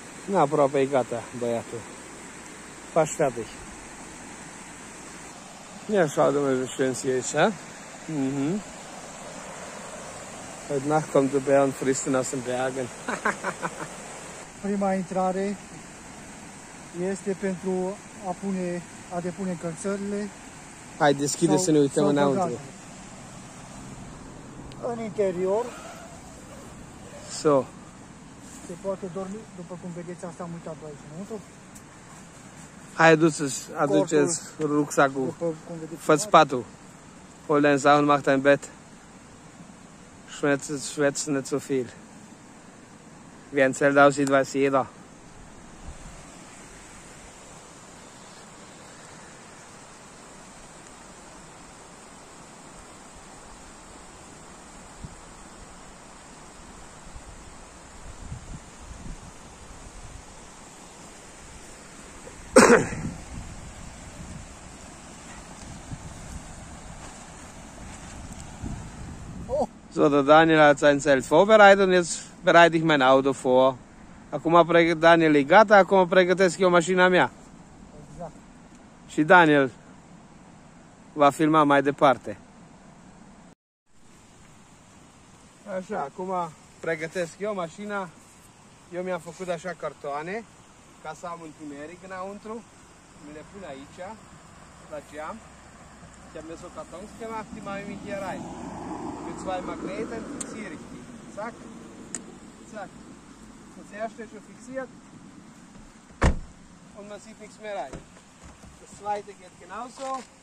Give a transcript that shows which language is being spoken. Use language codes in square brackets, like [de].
[ro] Na, proape gata, băiatul. [de] Fast fertig. Ja, schau dir mal, wie schön sie ist, ja? Mhm. Heute Nacht kommt der Bär und frisst ihn aus den Bergen. [ro] Prima intrare este pentru a pune, a depune încălțările. Hai, deschide să ne uităm înăuntru. În interior. [de] So. [ro] Se poate dormi, după cum vedeți, asta am uitat aici înăuntru. Hai, aduceți, aduceți rucsacul. Fă-ți patul. [de] Hol dein Sau und mach dein Bett. Schwätz nicht so viel. Wie ein Zelt aussieht, weiß jeder. So, der Daniel hat sein Zelt vorbereitet und jetzt bereite ich mein Auto vor. [ro] Acum Daniel e gata, acum pregătesc eu mașina mea. Exact. Și Daniel va filma mai departe. Așa, acum pregătesc eu mașina. Eu mi-am făcut așa cartoane ca să am întuneric înăuntru. Mi le pun aici, la geam. [de] Ich habe mir so Kartons gemacht, die mache ich mich hier rein. Mit zwei Magneten fixiere ich die. Zack. Zack. Das erste ist schon fixiert. Und man sieht nichts mehr rein. Das zweite geht genauso.